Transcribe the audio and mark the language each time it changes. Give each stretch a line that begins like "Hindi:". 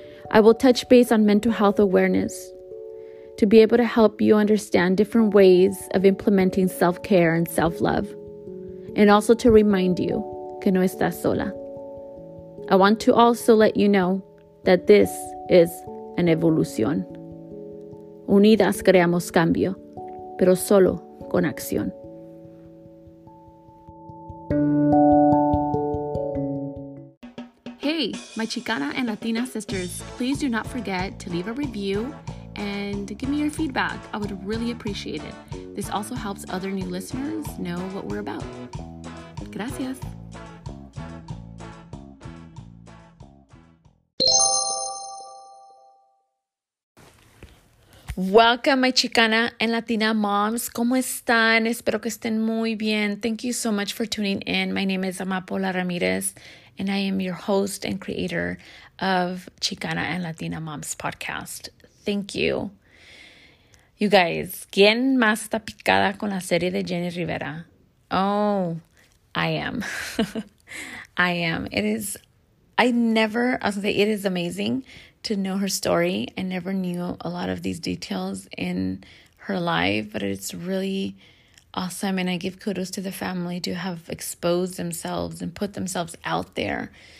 English: I will touch base on mental health awareness to be able to help you understand different ways of implementing self-care and self-love, and also to remind you
Spanish: que no estás sola.
English: I want to also let you know that this is an evolution.
Spanish: Unidas creamos cambio, pero solo con acción.
English: Hey, my Chicana and Latina sisters, please do not forget to leave a review and give me your feedback. I would really appreciate it. This also helps other new listeners know what we're about.
Spanish: Gracias.
English: Welcome, my Chicana and Latina moms.
Spanish: ¿Cómo están? Espero que estén muy bien.
English: Thank you so much for tuning in. My name is Amapola Ramirez, and I am your host and creator of Chicana and Latina Moms Podcast. Thank you. You guys,
Spanish: ¿quién más está picada con la serie de Jenny Rivera?
English: Oh, I am. I am. It is amazing to know her story. I never knew a lot of these details in her life, but it's really awesome. And I give kudos to the family to have exposed themselves and put themselves out there.